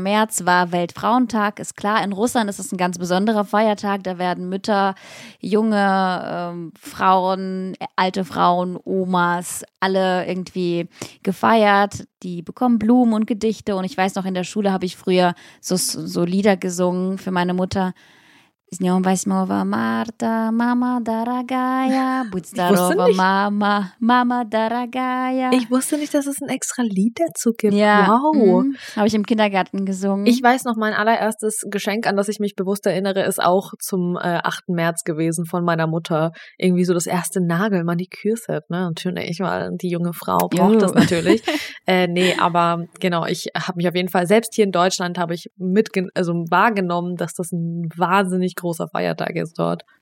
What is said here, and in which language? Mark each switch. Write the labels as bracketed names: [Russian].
[German] März war Weltfrauentag, ist klar, in Russland ist es ein ganz besonderer Feiertag, da werden Mütter, junge Frauen, alte Frauen, Omas, alle irgendwie gefeiert, die bekommen Blumen und Gedichte und ich weiß noch, in der Schule habe ich früher so Lieder gesungen für meine Mutter. [Russian] С днём восьмого марта, мама дорогая, будь здорова, мама, мама дорогая. [German] Ich wusste nicht, dass es ein extra Lied dazu gibt. Ja. Wow. Habe ich im Kindergarten gesungen. Ich weiß noch, mein allererstes Geschenk, an das ich mich bewusst erinnere, ist auch zum 8. März gewesen von meiner Mutter. Irgendwie so das erste Nagel-Manikürset. Ne? Natürlich, weil die junge Frau braucht das natürlich. ich habe mich auf jeden Fall, selbst hier in Deutschland, habe ich wahrgenommen, dass das ein wahnsinnig großer Feiertag ist dort.